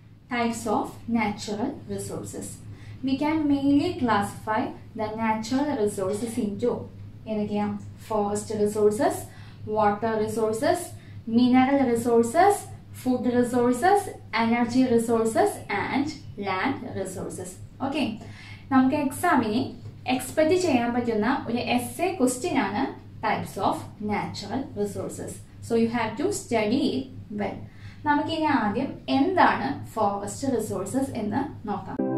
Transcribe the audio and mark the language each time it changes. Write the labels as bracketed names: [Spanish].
[English] Types of natural resources. We can mainly classify the natural resources into forest resources, water resources, mineral resources, food resources, energy resources and land resources. [Malayalam] Okay, നമുക്ക് എക്സാമിനെ expect ചെയ്യാൻ പറ്റുന്ന ഒരു essay question ആണ് [English] types of natural resources. So you have to study it well. [Malayalam] നമുക്കിനി ആദ്യം എന്താണ് forest resources എന്ന് നോക്കാം.